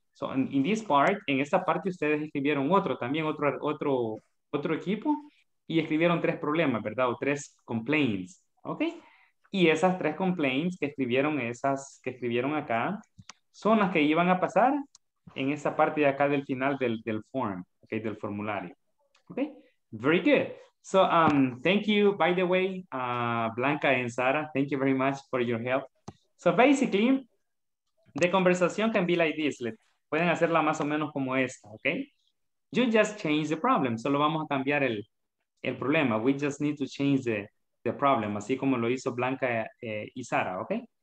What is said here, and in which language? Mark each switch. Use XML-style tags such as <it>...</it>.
<en>So in this part,</en> <es>en esta parte ustedes escribieron otro equipo y escribieron tres problemas, ¿verdad? O tres complaints, ¿ok? Y esas tres complaints que escribieron acá son las que iban a pasar en esta parte de acá del final del form, ¿ok? Del formulario, ¿ok?</es> <en>Very good. So thank you, by the way, Blanca and Sara, thank you very much for your help. So basically, the conversation can be like this.</en> <es>Pueden hacerla más o menos como esta, okay?</es> <en>You just change the problem.</en> <es>Solo vamos a cambiar el problema.</es> <en>We just need to change the problem.</en> <es>Así como lo hizo Blanca y Sara, okay?</es>